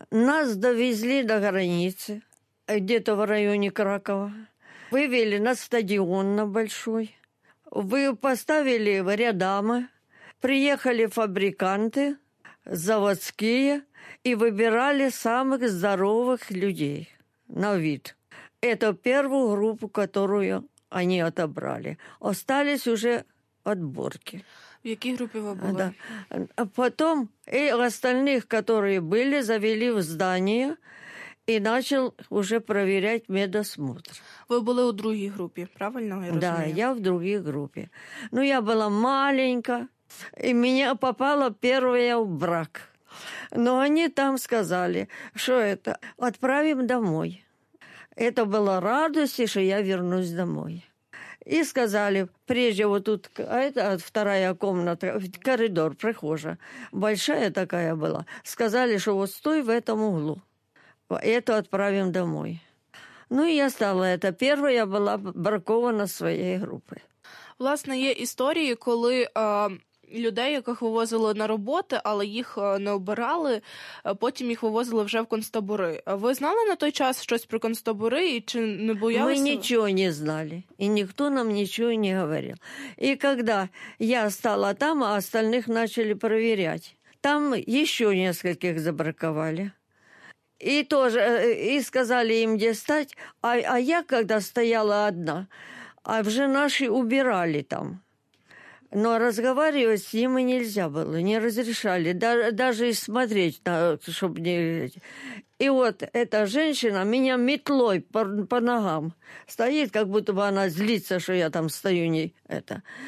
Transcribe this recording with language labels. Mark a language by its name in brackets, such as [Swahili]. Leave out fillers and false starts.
[Ukrainian] Нас довезли до границі, десь в районі Кракова, вивели на стадіон на Большой, ви поставили рядами. [Russian] Приехали фабриканты, заводские, и выбирали самых здоровых людей на вид. Это первую группу, которую они отобрали. Остались уже отборки. В какой группе вы были? Да. Потом и остальных, которые были, завели в здание и начал уже проверять медосмотр. Вы были в другой группе, правильно? Да, я в другой группе. Но я была маленькая. И меня попала первая в брак. Но они там сказали, что это, отправим домой. Это было радость, что я вернусь домой. И сказали, прежде вот тут, а это вторая комната, коридор, прихожая, большая такая была. Сказали, что вот стой в этом углу, эту отправим домой. Ну и я стала это первой, я была бракована своей группы. [Ukrainian] Власне, є історії, коли людей, яких вивозили на роботи, але їх не обирали, потім їх вивозили вже в концтабори. Ви знали на той час щось про концтабори і чи не боялися? Ми нічого не знали, і ніхто нам нічого не говорив. І коли я стала там, а остальних почали перевіряти, там ще нескольких забракували. І теж, і сказали їм, де стати. А я, коли стояла одна, а вже наші убирали там. [Russian] Но разговаривать с ними нельзя было, не разрешали. Даже и смотреть, чтобы не... И вот эта женщина меня метлой по ногам стоит, как будто бы она злится, что я там стою. Не это.